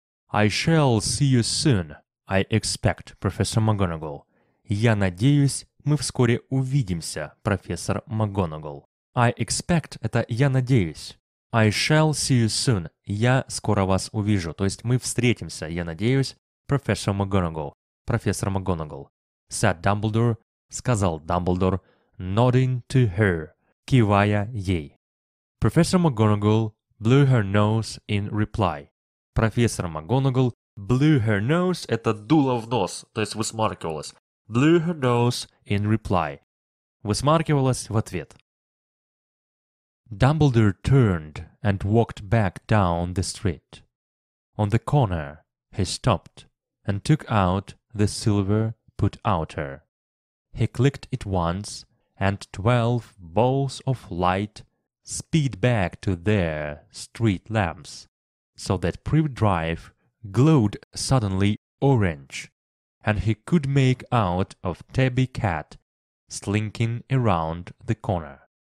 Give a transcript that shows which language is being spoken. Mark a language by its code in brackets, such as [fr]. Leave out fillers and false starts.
[en] I shall see you soon, I expect, Professor McGonagall. [ru] Я надеюсь мы вскоре увидимся, профессор МакГонагалл. [en] I expect [ru] – это «я надеюсь». [en] I shall see you soon [ru] – «я скоро вас увижу». То есть мы встретимся, я надеюсь, профессор МакГонагалл. Профессор МакГонагалл. [en] Said Dumbledore – [ru] сказал Дамблдор, [en] nodding to her – [ru] кивая ей. [en] Профессор МакГонагалл blew her nose in reply. [ru] Профессор МакГонагалл [en] blew her nose [ru] – это дуло в нос, то есть высмаркивалось. [en] Blew her nose in reply. [ru] Высмаркивалась в ответ. [en] Dumbledore turned and walked back down the street. On the corner, he stopped and took out the silver put outer. He clicked it once, and 12 balls of light speed back to their street lamps, so that Privet Drive glowed suddenly orange, and he could make out of Tabby Cat slinking around the corner.